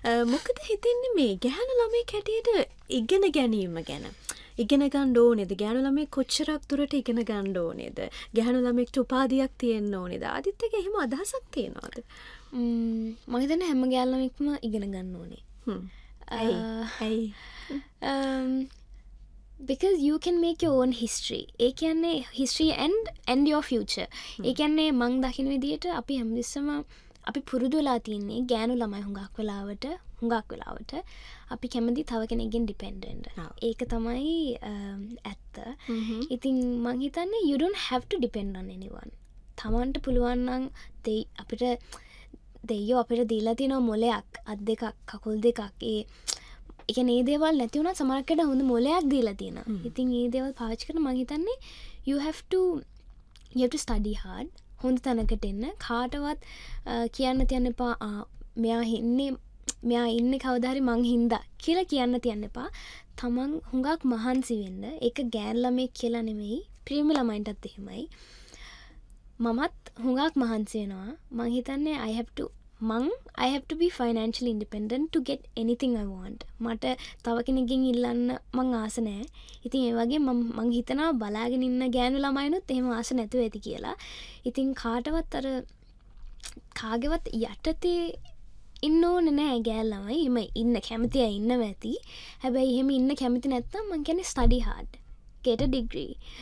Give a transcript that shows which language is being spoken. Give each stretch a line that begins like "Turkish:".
Sinhala: මොකද හිතෙන්නේ මේ ගැහණු ළමයෙක් හැටියට ඉගෙන ගැනීම ගැන? ඉගෙන ගන්න ඕනේද? ගැහණු ළමයෙක් කොච්චරක් දුරට ඉගෙන ගන්න ඕනේද? ගැහණු ළමයෙක්ට උපාධියක් තියෙන්න ඕනේද? ආදිත්‍යගේ එහෙම අදහසක් තියෙනවද? මම හිතන්නේ හැම ගැහණු ළමයෙක්ම ඉගෙන ගන්න ඕනේ. ඇයි?
English: Because you can make your own history.
Sinhala: ඒ කියන්නේ
English: history and your future.
Sinhala: ඒ කියන්නේ මං දකින විදිහට අපි හැමදෙස්සම අපි පුරුදු වෙලා තින්නේ ගෑනු ළමයි හුඟක් වෙලාවට අපි කැමති තව කෙනෙක්ගෙන් ඩිපෙන්ඩන්ට්. ඒක තමයි ඇත්ත. ඉතින් මං හිතන්නේ
English: you don't have to depend on anyone.
Sinhala: තමන්ට පුළුවන් නම් අපිට දෙයියෝ අපිට දීලා තියෙන මොලයක් අත් දෙකක් කකුල් දෙකක් ඒ එකනේ ඒ දේවල් නැති වුණා සමහරකට හොඳ මොලයක් දීලා තියෙනවා. ඉතින් ඒ දේවල් පාවිච්චි කරන මං හිතන්නේ
English: you have to study hard.
Sinhala: හොඳ තැනකට එන්න කාටවත් කියන්න තියන්න එපා මෙයා ඉන්නේ කවදා හරි මං හින්දා කියලා කියන්න තියන්න එපා. තමන් හුඟක් මහන්සි වෙන්න. ඒක ගෑන් ළමෙක් කියලා නෙමෙයි ප්‍රියම ළමයින්ටත් එහෙමයි. මමත් හුඟක් මහන්සි වෙනවා. මං හිතන්නේ
English: I have to be financially independent to get anything I want.
Sinhala: මට තව කෙනෙක්ගෙන් ඉල්ලන්න මං ආස නැහැ. ඉතින් ඒ වගේ මං හිතනවා බලාගෙන ඉන්න ගෑනු ළමයිනුත් එහෙම ආස නැතුව ඇති කියලා. ඉතින් කාටවත් අර කාගේවත් යටතේ ඉන්න ඕනේ නැහැ ගෑනු ළමයි. එහෙම ඉන්න කැමතිය ඉන්නව ඇති. හැබැයි එහෙම ඉන්න කැමති නැත්නම් මං කියන්නේ
English: study hard. Get a degree.